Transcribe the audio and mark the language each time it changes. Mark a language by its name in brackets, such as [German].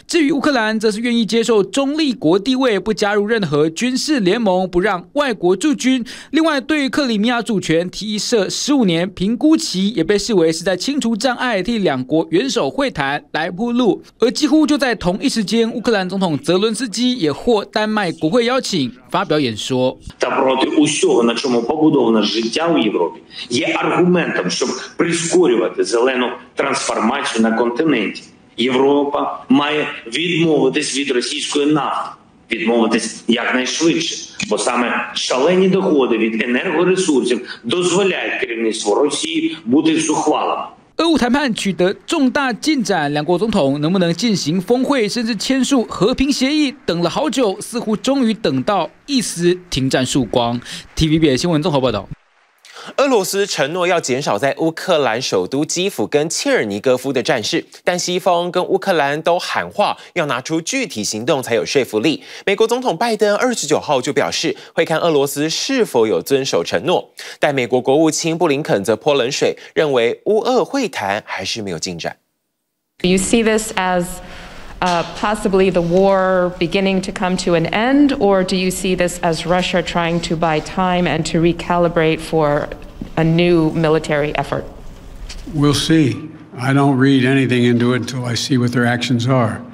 [Chinese] 至于乌克兰，则是愿意接受中立国地位，不加入任何军事联盟，不让外国驻军。另外，对于克里米亚主权提设15年评估期，也被视为是在清除障碍，替两国元首会谈来铺路。而几乎就在同一时间，乌克兰总统泽伦斯基也获丹麦国会邀请发表演说。 [Ukrainian] Та проти усього, на чому побудовано життя в Європі, є аргументом, щоб прискорювати зелену трансформацію на континенті. Європа має відмовитись від російської нафти, відмовитись якнайшвидше, бо саме шалені доходи від енергоресурсів дозволяють керівництву Росії бути зухвалим。 [Chinese] 俄乌谈判取得重大进展，两国总统能不能进行峰会，甚至签署和平协议，等了好久，似乎终于等到一丝停战曙光。 TVBS 新闻综合报道。俄罗斯承诺要减少在乌克兰首都基辅跟切尔尼戈夫的战事，但西方跟乌克兰都喊话要拿出具体行动才有说服力。美国总统拜登29号就表示会看俄罗斯是否有遵守承诺，但美国国务卿布林肯则泼冷水，认为乌俄会谈还是没有进展。 [English] Do you see this as possibly the war beginning to come to an end, or do you see this as Russia trying to buy time and to recalibrate for a new military effort? We'll see. I don't read anything into it until I see what their actions are.